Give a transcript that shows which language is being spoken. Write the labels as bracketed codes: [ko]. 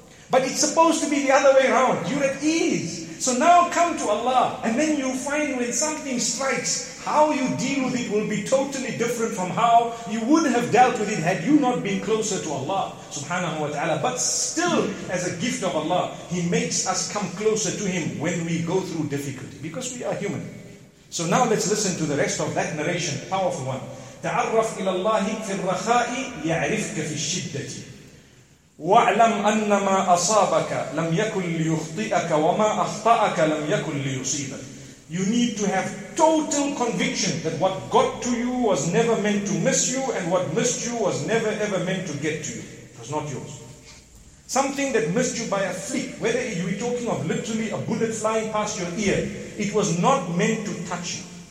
[en] But it's supposed to be the other way around. You're at ease. So now come to Allah, and then you find when something strikes, how you deal with it will be totally different from how you would have dealt with it had you not been closer to Allah, subhanahu wa ta'ala. But still, as a gift of Allah, He makes us come closer to Him when we go through difficulty, because we are human. So now let's listen to the rest of that narration, powerful one. [ar] تعرف إلى الله في الرخاء يعرفك في الشدة وعلم أن ما أصابك لم يكن ليخطئك وما أخطأك لم يكن ليصيبك. [en] You need to have total conviction that what got to you was never meant to miss you, and what missed you was never ever meant to get to you. It was not yours. Something that missed you by a flick, whether you were talking of literally a bullet flying past your ear, it was not meant to touch you.